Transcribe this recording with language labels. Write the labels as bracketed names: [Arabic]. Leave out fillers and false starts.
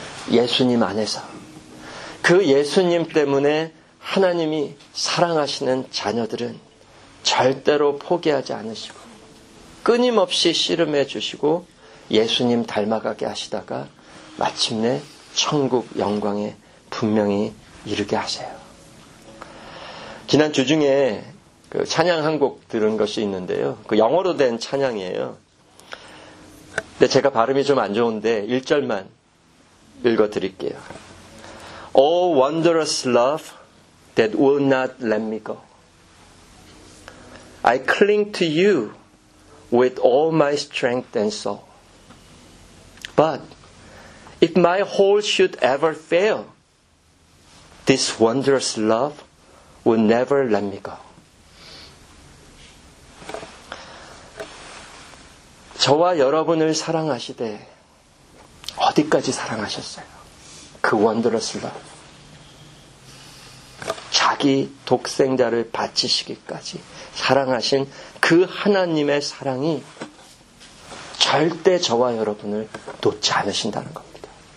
[Korean] 예수님 안에서 그 예수님 때문에 하나님이 사랑하시는 자녀들은 절대로 포기하지 않으시고 끊임없이 씨름해 주시고 예수님 닮아가게 하시다가 마침내 천국 영광에 분명히 이르게 하세요. 지난 주 중에 그 찬양 한 곡 들은 것이 있는데요. 그 영어로 된 찬양이에요. 근데 제가 발음이 좀 안 좋은데 1절만 읽어 드릴게요. [English] Oh wondrous love that will not let me go. I cling to you with all my strength and soul. But if my whole should ever fail, this wondrous love will never let me go. [Korean] 저와 여러분을 사랑하시되 어디까지 사랑하셨어요? [English] 그 wondrous love. [Korean] 자기 독생자를 바치시기까지 사랑하신 그 하나님의 사랑이 절대 저와 여러분을 놓지 않으신다는 겁니다.